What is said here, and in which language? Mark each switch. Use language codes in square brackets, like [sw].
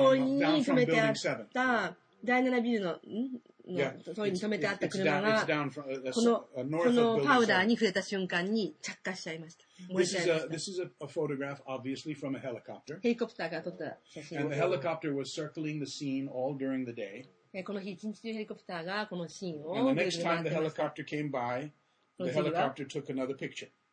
[ja] 通りに止めてあった、第7ビルの、通りに止めてあった車が、このパウダーに触れた瞬間に着火しちゃいました。 [en] This is a photograph, obviously, from a helicopter. [ja] ヘリコプターが撮った写真。 [en] And the helicopter was circling the scene all during the day. [ja] この日一日中ヘリコプターがこのシーンを。 [en] And the next time the helicopter came by, the helicopter took another picture.